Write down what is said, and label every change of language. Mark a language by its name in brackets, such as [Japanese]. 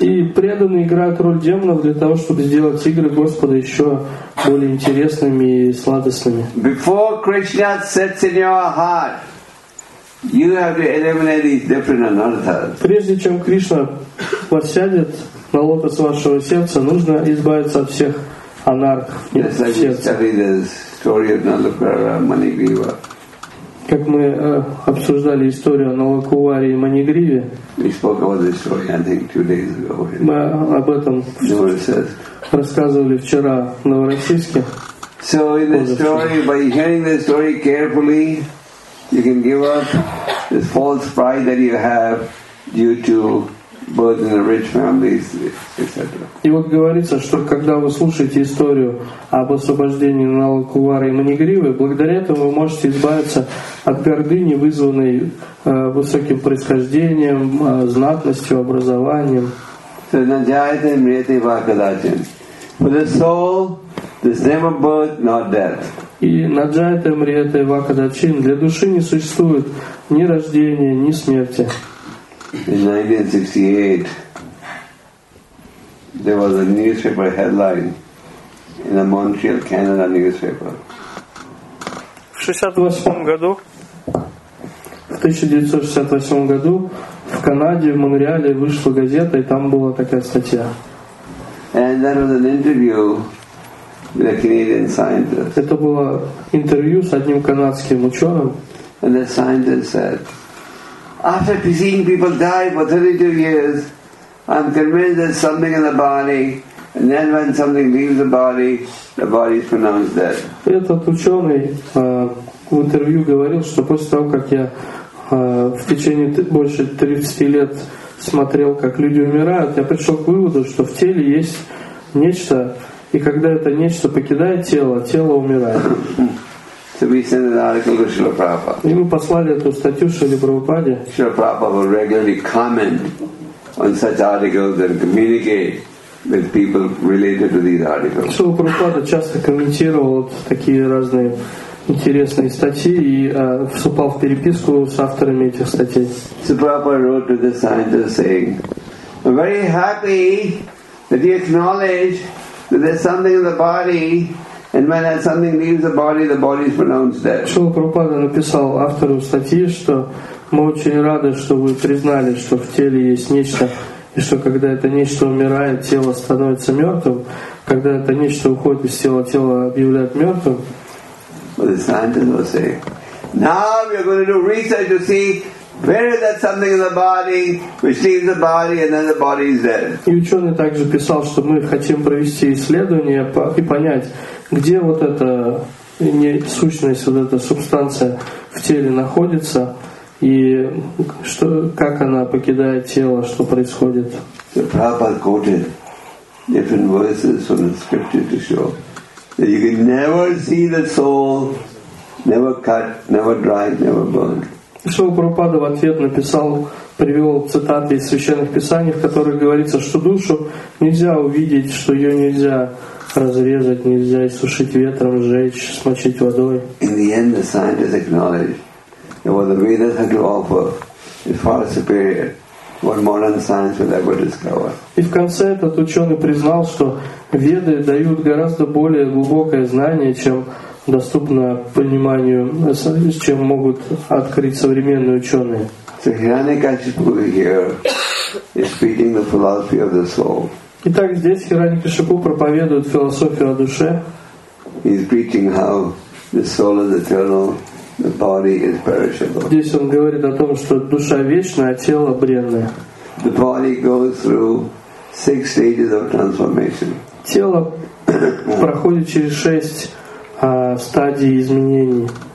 [Russian] И преданные играют роль демонов для того, чтобы сделать игры Господа еще более интересными и сладостными. [English] Before Krishna sits in your heart, you have to eliminate these different anarthas. [Russian] Прежде чем Кришна посядет на лотос вашего сердца, нужно избавиться от всех анархов сердца. Как мы обсуждали историю о Налакувари и Манигриве, мы об этом рассказывали вчера в Новороссийске. [English] So in the story, by hearing the story carefully, you can give up this false pride that you have due to birth in a rich family, etc. [Russian] И вот говорится, что когда вы слушаете историю об освобождении Налакувары и Манигривы, благодаря этому вы можете избавиться от гордыни, вызванной высоким происхождением, знатностью, образованием. [Sanskrit] So, Наджайте Мрите Вакадачин. [English] For the soul, there's never birth nor death. [Russian] И [Sanskrit] Наджайте Мрите Вакадачин. [Russian] Для души не существует ни рождения, ни смерти. [English] In 1968, there was a newspaper headline in a Montreal, Canada newspaper. [Russian] В 68 году, в 1968 году в Канаде, в Монреале вышла газета, и там была такая статья. [English] And that was an interview with a Canadian scientist. [Russian] Это было интервью с одним канадским ученым. [English] And the scientist said, after seeing people die for 32 years, I'm convinced there's something in the body, and then when something leaves the body is pronounced dead. [Russian] Этот ученый в интервью говорил, что после того, как я в течение больше 30 лет смотрел, как люди умирают, я пришел к выводу, что в теле есть нечто, и когда это нечто покидает тело, тело умирает. [English] So we sent an article to Srila Prabhupada. [Russian] И мы послали эту статью Шриле Прабхупаде. [English] Srila Prabhupada will regularly comment on such articles and communicate with people related to these articles. [Russian] Шрила Прабхупада часто комментировал такие разные интересные статьи и вступал в переписку с авторами этих статей. [English] Srila Prabhupada wrote to the scientist saying, I'm very happy that you acknowledge that there's something in the body. And when something leaves the body is pronounced dead. [Russian] Шрила Прабхупада написал автору статьи, что Мы очень рады, что вы признали, что в теле есть нечто, и что когда это нечто умирает, тело становится мертвым. Когда это нечто уходит из тела, тело объявляет мертвым. [English] But the scientists will say, now we are going to do research to see where is that something in the body which leaves the body and then the body is dead. [Russian] И ученый также писал, что мы хотим провести исследование и понять, где вот эта сущность, вот эта субстанция в теле находится. И что, как она покидает тело, что происходит? [English] So Prabhupada quoted different verses from the scripture to show that you can never see the soul, never cut, never dry, never burn. [Russian] Шрила Прабхупада в ответ написал, привел цитаты из священных писаний, в которых говорится, что душу нельзя увидеть, что ее нельзя разрезать, нельзя иссушить ветром, сжечь, смочить водой. [English] In the end, the scientists acknowledged. And what the Vedas had to offer is far superior what modern science will ever discover. [Russian] И в конце этот ученый признал, что Веды дают гораздо более глубокое знание, чем доступно пониманию, чем могут открыть современные ученые. [English] So Hiranyakashipu here is speaking the philosophy of the soul. [Russian] Итак, здесь Хираньякашипу проповедует философию о душе. [English] He's preaching how the soul is eternal. The body is perishable. [Russian] Здесь он говорит о том, что душа вечна, а тело бренное. [English] The body goes through six stages of transformation. [Russian] Тело проходит через шесть стадий изменений.